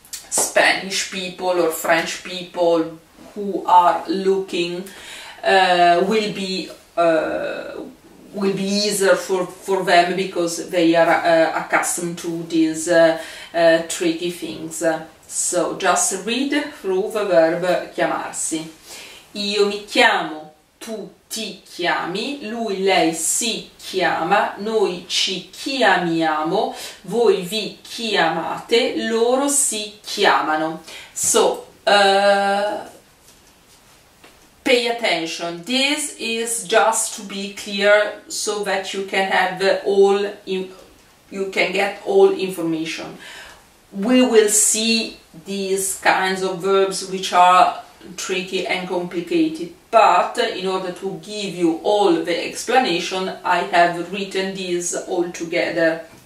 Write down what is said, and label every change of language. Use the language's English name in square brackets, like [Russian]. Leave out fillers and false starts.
[English] Spanish people or French people who are looking will be easier for them, because they are accustomed to these tricky things. So just read through the verb chiamarsi. [Italian] Io mi chiamo, tu ti chiami, lui, lei si chiama, noi ci chiamiamo, voi vi chiamate, loro si chiamano. [English] So, pay attention. This is just to be clear so that you can have all, you can get all information. We will see these kinds of verbs which are tricky and complicated, but in order to give you all the explanation, I have written these all together.